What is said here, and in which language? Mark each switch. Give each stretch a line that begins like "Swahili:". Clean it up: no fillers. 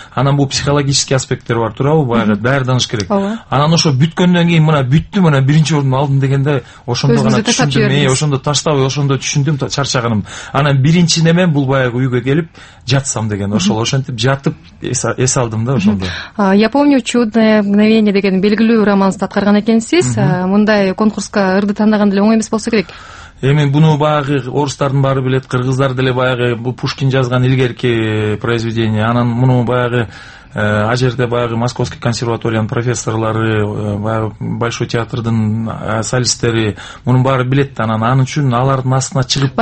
Kyrgyz: Анан бул психологический аспекттер бар, туурабы? Баягы баары тааныш керек. Анан ошо бүткөндөн кийин мына бүттүм, мына биринчи орун алдым дегенде ошондо гана түшүндүм. Ошондо таштабай, ошондо түшүндүм чарчаганым. Анан биринчи неме бул баягы үйгө келип жатсам деген ошол, ошентип жатып эс алдым да ошондо.
Russian: Я помню чудное мгновение
Kyrgyz: деген белгилүү романсты аткарган экенсиз. Мындай конкурска ырды тандаган деле оңой эмес болсо керек. Эми буну баягы орустардын баары билет, кыргыздар деле баягы бул Пушкин жазган илгерки произведение. Анан муну баягы ал жерде баягы Московский консерваториянын профессорлору, баягы Большой театрдын солисттери мунун баары билет да, анан аны үчүн алардын астына чыгып